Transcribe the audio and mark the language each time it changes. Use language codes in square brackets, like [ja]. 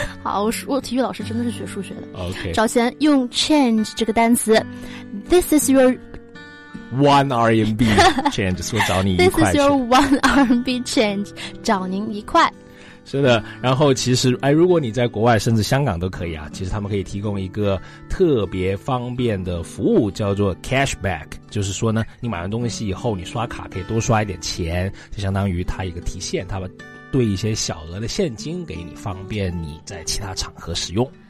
[zh] 好，我体育老师真的是学数学的。 [en] OK， [zh] 找钱用 change 这个单词 ， [en] This is your one RMB change， [zh] 说找你一块。 [en] This is your one RMB change， [zh] 找您一块。是的，然后其实哎，如果你在国外甚至香港都可以啊，其实他们可以提供一个特别方便的服务，叫做 cashback， 就是说呢，你买完东西以后，你刷卡可以多刷一点钱，就相当于他一个提现，他们兑一些小额的现金给你，方便你在其他场合使用。